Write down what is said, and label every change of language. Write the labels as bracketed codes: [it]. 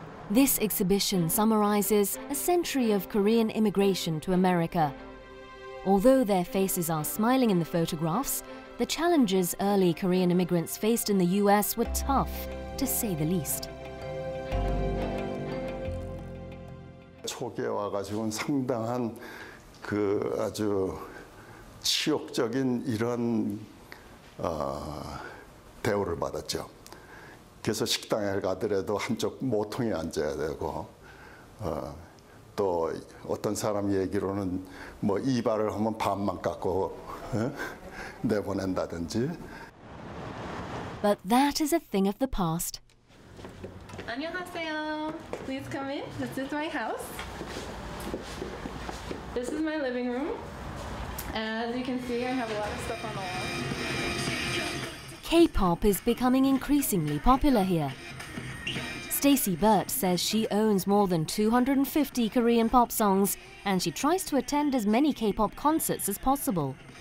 [en] This exhibition summarizes a century of Korean immigration to America. Although their faces are smiling in the photographs, the challenges early Korean immigrants faced in the US were tough, to say the least. [ko] 초기에 와가지고는 상당한 그 아주 치욕적인 이런 대우를 받았죠. 그래서 식당에 가더라도 한쪽 모퉁이에 앉아야 되고 또 어떤 사람 얘기로는 뭐 이발을 하면 반만 깎고 내보낸다든지. [en] But that is a thing of the past. 안녕하세요. Please come in. This is my house. This is my living room. As you can see, I have a lot of stuff on the wall. K-pop is becoming increasingly popular here. Stacy Burt says she owns more than 250 Korean pop songs, and she tries to attend as many K-pop concerts as possible.